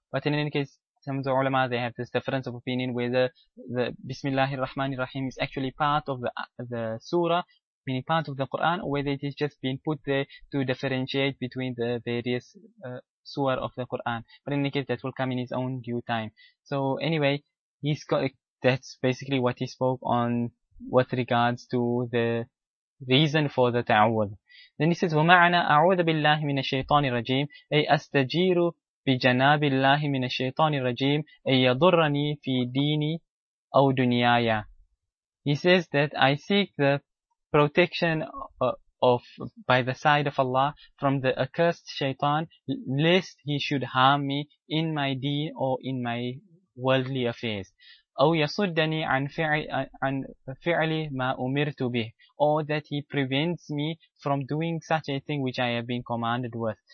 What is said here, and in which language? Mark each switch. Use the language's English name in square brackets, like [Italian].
[English] But in any case, some of the ulama, they have this difference of opinion whether the Bismillahir Rahmanir Rahim is actually part of the surah, meaning part of the Quran, or whether it is just being put there to differentiate between the various Surah of the Quran. But in any case, that will come in its own due time. So anyway, that's basically what he spoke on with regards to the reason for the ta'awudh. Then he says, [Arabic] وَمَعْنَا أَعُوذَ بِاللَّهِ مِنَ الشَّيْطَانِ الرَّجِيمِ أَيْ أَسْتَجِيرُ بِجَنَابِ اللَّهِ مِنَ الشَّيْطَانِ الرَّجِيمِ أَيْ يَضُرَّنِي فِي دِينِ أَوْ دُنْيَايَ. [English] He says that I seek the protection of by the side of Allah from the accursed shaitan, lest he should harm me in my deen or in my worldly affairs. [Arabic] أو يصدني عن فعل ما أمرت به, [English] or that he prevents me from doing such a thing which I have been commanded with.